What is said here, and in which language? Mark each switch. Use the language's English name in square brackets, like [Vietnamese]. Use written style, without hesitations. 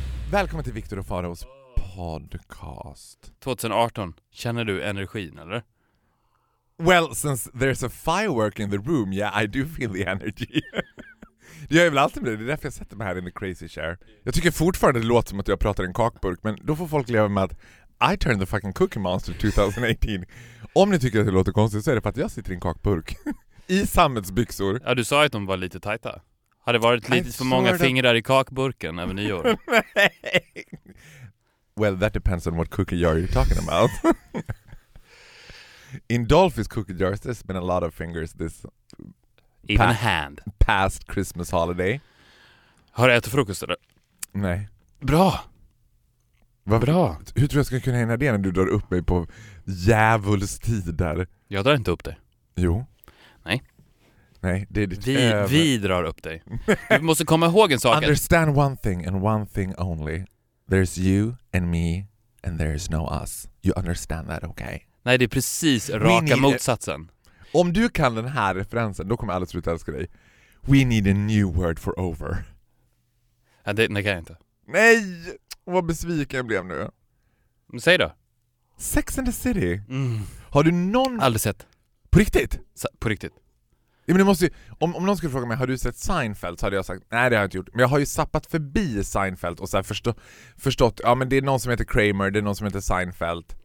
[Swedish] Välkommen till Viktor och Faros podcast. 2018, känner du energin eller? [English] Well, since there's a firework in the room, yeah, I do feel the energy. [Swedish] Det gör jag väl alltid med det, det är därför jag sätter mig här [English] in the crazy chair. [Swedish] Jag tycker fortfarande det låter som att jag pratar i en kakburk, men då får folk leva med att [English] I turned the fucking cookie monster 2018. [Swedish] Om ni tycker att det låter konstigt så är det för att jag sitter i en kakburk. I sammetsbyxor. Ja, du sa att de var lite tajta. Har det varit lite för många fingrar i kakburken över nyår? [English] Well, that depends on what cookie jar you're talking about. In Dolphy's cookie jars, there's been a lot of fingers this... Even a hand. Past Christmas holiday. [Swedish] Har du ätit frukost eller? Nej. Bra! Vad bra! Hur tror jag ska kunna hinna det när du drar upp mig på djävulstider? Jag drar inte upp det. Jo. Nej. Nej, det är ditt vi drar upp dig. Du måste komma ihåg en sak. [English] Understand one thing and one thing only. There's you and me and there's no us. You understand that, okay? [Swedish] Nej, det är precis raka motsatsen. Om du kan den här referensen, då kommer alla sluta älska dig. [English] We need a new word for over. [Swedish] Ja, det kan jag inte. Nej, vad besviken jag blev nu. Säg då. Sex and the City. Mm. Har du någon... Aldrig sett. På riktigt? På riktigt. Ja, men du måste ju, om någon skulle fråga mig, har du sett Seinfeld? Så hade jag sagt, nej det har jag inte gjort. Men jag har ju zappat förbi Seinfeld och så här förstått, ja men det är någon som heter Kramer, det är någon som heter Seinfeld.